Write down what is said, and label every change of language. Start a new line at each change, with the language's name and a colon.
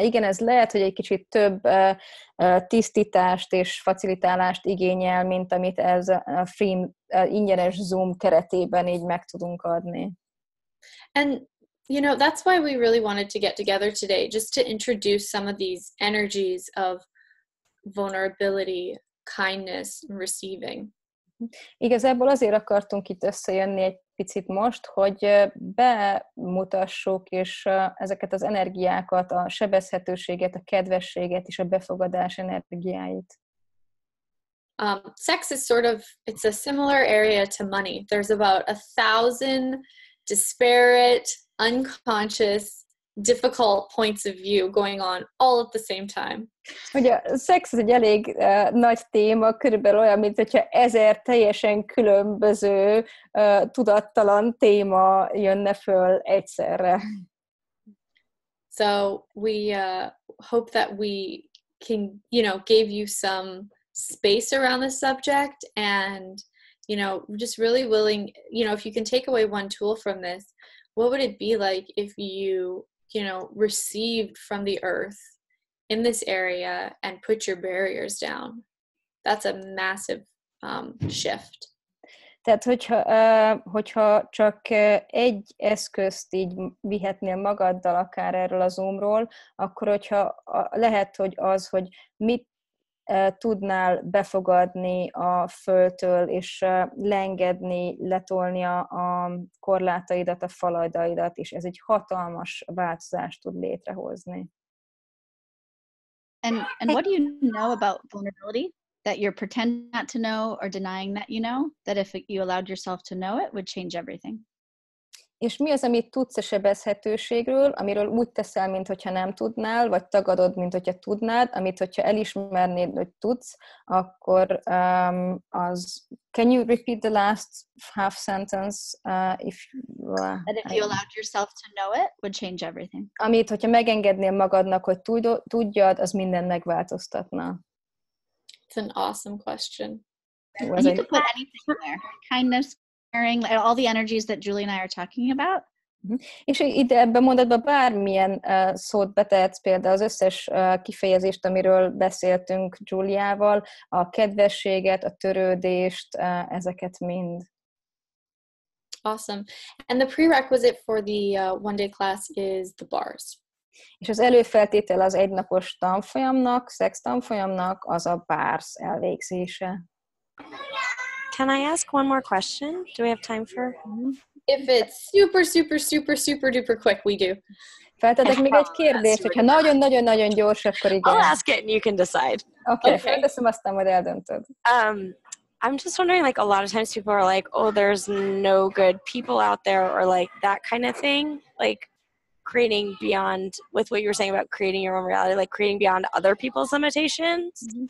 Hungarian: Igen, ez lehet, hogy egy kicsit több tisztítást és facilitálást igényel, mint amit ez a free, ingyenes Zoom keretében így meg tudunk adni.
English: And you know, that's why we really wanted to get together today, just to introduce some of these energies of vulnerability, kindness, receiving.
Hungarian: Igazából azért akartunk itt összejönni egy picit most, hogy bemutassuk és ezeket az energiákat, a sebezhetőséget, a kedvességet és a befogadás energiáit.
English: Sex is sort of, it's a similar area to money. There's about 1,000 disparate, unconscious, difficult points of view going on all at the same time.
Hungarian: Ugye, szex ez egy elég nagy téma, körülbelül olyan, mint hogyha 1000 teljesen különböző tudattalan téma jönne föl egyszerre.
English: So we hope that we can, you know, gave you some space around the subject and, you know, just really willing, you know, if you can take away one tool from this, what would it be like if you know, received from the earth in this area and put your barriers down. That's a massive shift.
Hungarian: Tehát, hogyha csak egy eszközt így vihetnél magaddal akár erről a Zoomról, akkor hogyha lehet, hogy az, hogy mit tudnál befogadni a földtől, és leengedni, letolni a korlátaidat, a falaidat, és ez egy hatalmas változást tud létrehozni.
English: And what do you know about vulnerability that you're pretending not to know or denying that you know, that if you allowed yourself to know it, would change everything?
Hungarian: És mi az, amit tudsz a sebezhetőségről, amiről úgy teszel, mintha nem tudnál, vagy tagadod, mintha tudnád, amit hogyha elismernéd, hogy tudsz, akkor az...
English: Can you repeat the last half sentence? That if you allowed yourself to know it, would change everything.
Hungarian: Amit, hogyha megengednél magadnak, hogy tudjad, az minden megváltoztatna.
English: It's an awesome question. You could put anything there. Kindness. All the energies that Julie and I are talking about.
Hungarian: És ide ebben mondatban bármilyen szót betehetsz, például az összes kifejezést, amiről beszéltünk Juliával, a kedvességet, a törődést, ezeket mind.
English: Awesome. And the prerequisite for the one-day class is the bars.
Hungarian: És az előfeltétel az egynapos tanfolyamnak, szex tanfolyamnak az a PARS elvégzése.
English: Can I ask one more question? Do we have time for? If it's super, super, super, super duper quick, we do.
Hungarian: Feltetek még egy kérdést, hogyha nagyon-nagyon-nagyon gyors, akkor igen.
English: I'll ask it and you can decide.
Hungarian: Okay, felteszem, aztán majd eldöntöd.
English: I'm just wondering, like, a lot of times people are like, oh, there's no good people out there, or like that kind of thing. Like, creating beyond, with what you were saying about creating your own reality, like creating beyond other people's limitations.